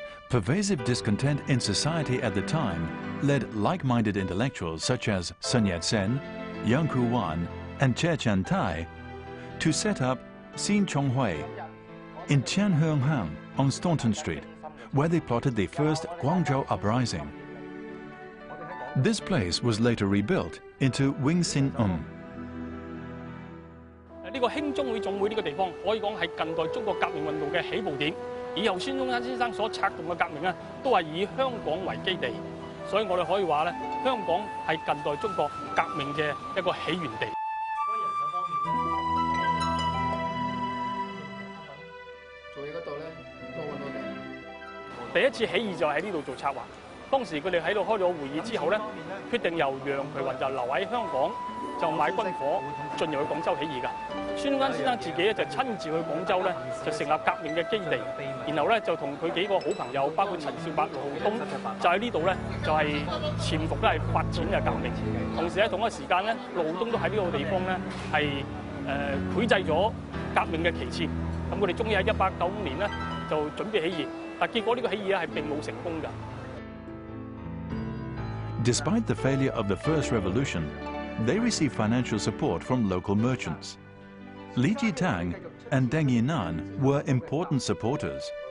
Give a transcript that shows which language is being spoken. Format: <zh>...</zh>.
<en>Pervasive discontent in society at the time led like-minded intellectuals such as Sun Yat-sen, Yun Ku Wan, and Tse Tan Tai to set up Xin Chong Hui in Tian Heung Hang on Staunton Street, where they plotted the first Guangzhou uprising. This place was later rebuilt into Wing Sin Ung.</en> <yue>呢、这個興中會總會呢個地方，可以講係近代中國革命運動嘅起步點。以後孫中山先生所策動嘅革命咧，都係以香港為基地，所以我哋可以話咧，香港係近代中國革命嘅一個起源地。做嘢嗰度咧，多揾多啲。第一次起義就喺呢度做策劃。當時佢哋喺度開咗會議之後咧，決定由楊培雲就留喺香港，就買軍火進入去廣州起義噶。孫中山先生自己咧就親自去廣州咧，就成立革命嘅基地，然後咧就同佢幾個好朋友，包括陳少白、盧浩東，就喺呢度咧就係潛伏咧係發展嘅革命。同時咧同一時間咧，盧浩東都喺呢個地方咧係繪製咗革命嘅旗幟。咁佢哋終於喺1895年咧就準備起義，但結果呢個起義咧係並冇成功㗎。</yue> <en>Despite the failure of the first revolution, they received financial support from local merchants. Li Jitang and Deng Yinan were important supporters.</en>